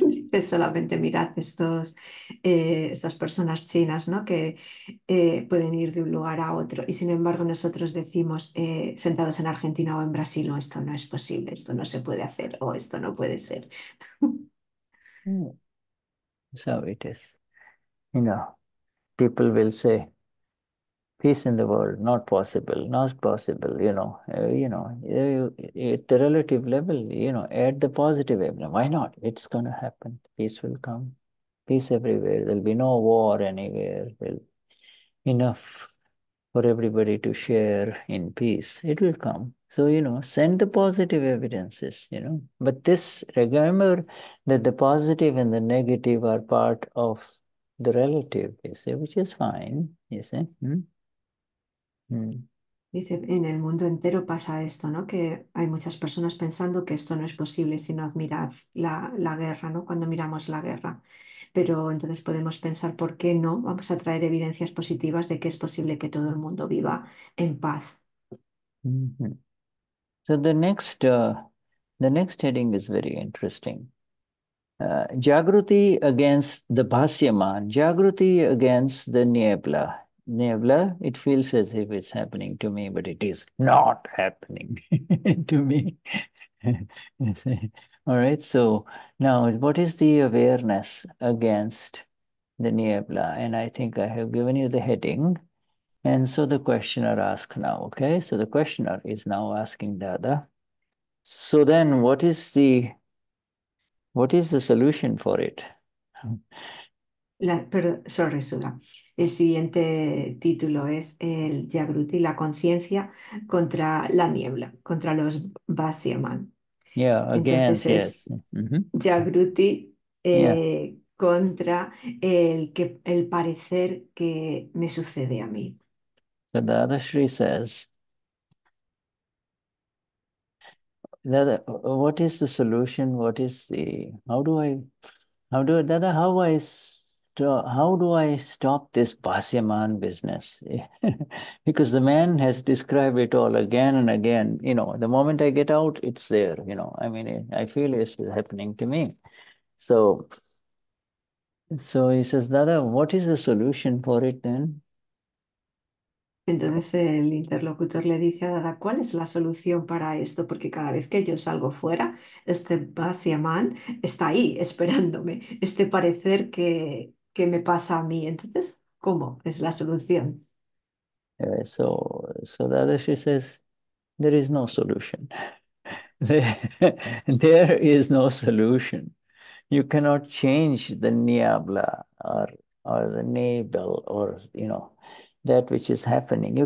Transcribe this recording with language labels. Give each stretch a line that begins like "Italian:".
Spanish: Es solamente mirad estos estas personas chinas, ¿no? Que pueden ir de un lugar a otro y sin embargo nosotros decimos sentados en Argentina o en Brasil, oh, esto no es posible, esto no se puede hacer o oh, esto no puede ser.
English: So it is, you know, people will say, peace in the world, not possible, not possible, at the relative level, you know, add the positive evidence. Why not? It's going to happen. Peace will come. Peace everywhere. There'll be no war anywhere. Well, enough for everybody to share in peace. It will come. So, you know, send the positive evidences, you know. But this, remember that the positive and the negative are part of the relative, you see, which is fine, you see.
Spanish: Dice, en el mundo entero pasa esto, ¿no? Que hay muchas personas pensando que esto no es posible si no admirad la guerra, ¿no? Cuando miramos la guerra. Pero entonces podemos pensar, ¿por qué no? Vamos a traer evidencias positivas de que es posible que todo el mundo viva en paz.
English: So the next heading is very interesting. Jagruti against the Bhasyaman, Jagruti against the Niebla. Niebla, it feels as if it's happening to me, but it is not happening to me. All right, so now what is the awareness against the Niebla? And I think I have given you the heading. And so the questioner asks now, okay? So the questioner is now asking Dada. So then what is the solution for it? Sorry, Sudha.
Spanish: El siguiente título es el Jagruti, la conciencia contra la niebla, contra los Vasyaman.
English: Yeah, again,
Spanish: entonces es
English: yes. Jagruti Yeah.
Spanish: contra el parecer que me sucede a mí.
English: So the other Shri says, Dada, what is the solution? What is the, how do I stop this Bhasyaman business? Because the man has described it all again and again. You know, the moment I get out, it's there. You know, I mean, I feel this is happening to me. So he says, Dada, what is the solution for it then?
Spanish: Entonces el interlocutor le dice a Dada, ¿cuál es la solución para esto? Porque cada vez que yo salgo fuera, este Bhasyaman está ahí esperándome, este parecer que me pasa a mí. Entonces, ¿cómo es la solución?
English: So Dada, she says, there is no solution. There is no solution. You cannot change the niebla or the navel or, you know, that which is happening.